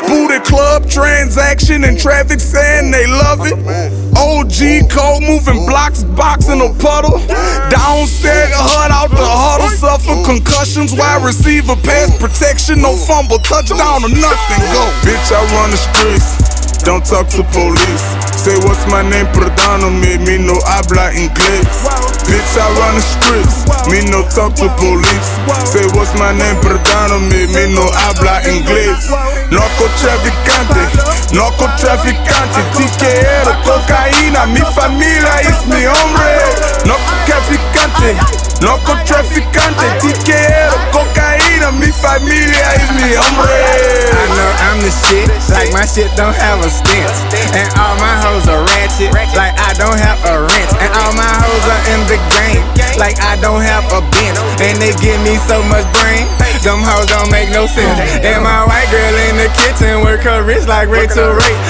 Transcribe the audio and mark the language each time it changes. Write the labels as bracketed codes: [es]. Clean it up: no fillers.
[en] Booty club transaction and traffic saying they love it. OG cold moving blocks, boxing a puddle. Downset, hut out the huddle. Suffer concussions, wide receiver pass protection. No fumble, touchdown or nothing, go. Bitch, I run the streets, don't talk to police. Say what's my name, [es] perdono me, me no habla inglés. [en] Bitch, I run the streets, me no talk to police. Say what's my name, [es] perdono me, me no habla inglés. Narcotraficante, narcotraficante. Tiquero, cocaína, mi familia es mi hombre. Narcotraficante, narcotraficante. Tiquero, cocaína, mi familia es mi hombre. [en] Shit, like my shit don't have a stench. And all my hoes are ratchet, like I don't have a wrench. And all my hoes are in the game, like I don't have a bench. And they give me so much brain, them hoes don't make no sense. And my white girl in the kitchen work her wrist like Rachel Ray.